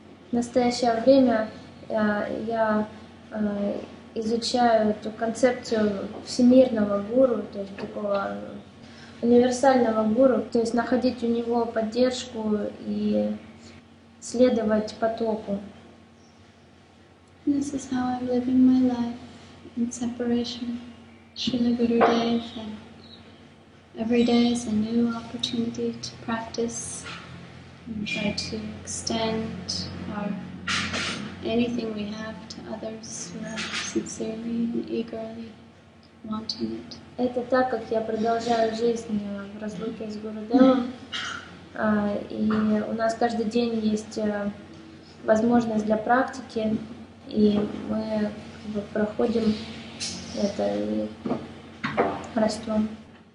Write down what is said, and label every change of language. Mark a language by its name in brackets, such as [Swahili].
[Russian] В настоящее время я изучаю эту концепцию всемирного Гуру, то есть такого универсального гуру, то есть находить у него поддержку и следовать потоку. [English] This is how I'm living my life in separation. Srila Gurudev, and every day is a new opportunity to practice and try to extend our anything we have to others who are sincerely and eagerly wanting it. [Russian] Это так, как я продолжаю жизнь в разлуке с Гурудевом. И у нас каждый день есть возможность для практики. И мы проходим это и растем.